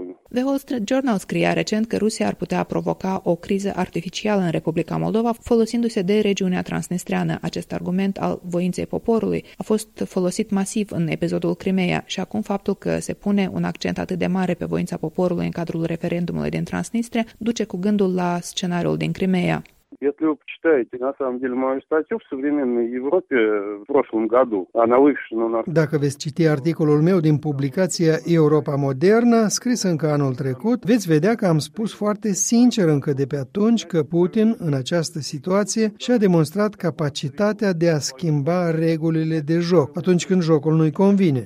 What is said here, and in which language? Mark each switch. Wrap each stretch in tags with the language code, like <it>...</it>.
<ro>The Wall Street Journal scria recent că Rusia ar putea provoca o criză artificială în Republica Moldova folosindu-se de regiunea transnistreană. Acest argument al voinței poporului a fost folosit masiv în episodul Crimeea și acum faptul că se pune un accent atât de mare pe voința poporului în cadrul referendumului din Transnistria duce cu gândul la scenariul din Crimeea.</ro> <ru>Если вы почитаете, на самом деле, мою статью в современной Европе в прошлом году, она вывешена на...</ru> <ro>Dacă veți citi articolul meu din publicația Europa Modernă, scris încă anul trecut, veți vedea că am spus foarte sincer încă de pe atunci că Putin, în această situație, și-a demonstrat capacitatea de a schimba regulile de joc, atunci când jocul nu-i convine.</ro>